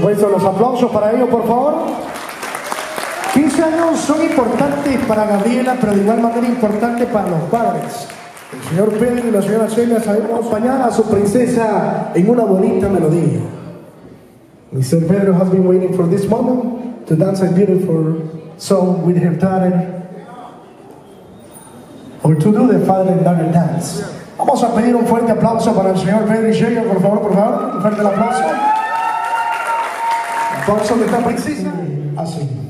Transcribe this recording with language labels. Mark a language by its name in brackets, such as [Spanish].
[Spanish] Los aplausos para ellos, por favor. 15 años son importantes para Gabriela, pero de igual manera importante para los padres. El señor Pedro y la señora Sheila saben acompañar a su princesa en una bonita melodía. [English] Mr. Pedro has been waiting for this moment to dance a beautiful song with her daughter, or to do the father and daughter dance. [Spanish] Vamos a pedir un fuerte aplauso para el señor Pedro y Sheila, por favor, por favor. Un fuerte aplauso. Vamos a meter precisa. Así.